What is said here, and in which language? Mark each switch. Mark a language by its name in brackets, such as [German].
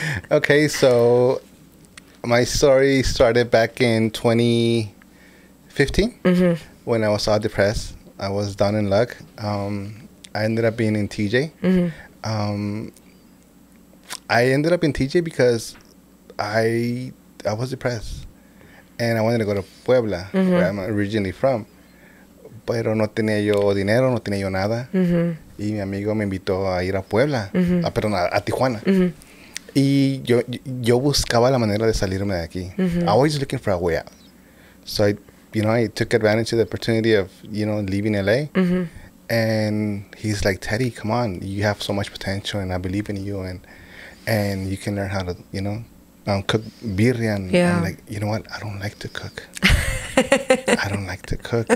[English] Okay, so my story started back in 2015, mm-hmm. when I was all depressed. I was down in luck. I ended up being in TJ. Mm-hmm. I ended up in TJ because I was depressed. And I wanted to go to Puebla, mm-hmm. where I'm originally from. [Spanish] Pero no tenía yo dinero, no tenía yo nada. Mm-hmm. Y mi amigo me invitó a ir a Puebla. Mm-hmm. A Tijuana. Mm-hmm. Y yo buscaba la manera de salirme de aquí. [English] Mm-hmm. I was looking for a way out. So I took advantage of the opportunity of, leaving LA. Mm-hmm. And he's like, Teddy, come on. You have so much potential and I believe in you. And you can learn how to, cook birria. And yeah. I'm like, you know what? I don't like to cook. I don't like to cook.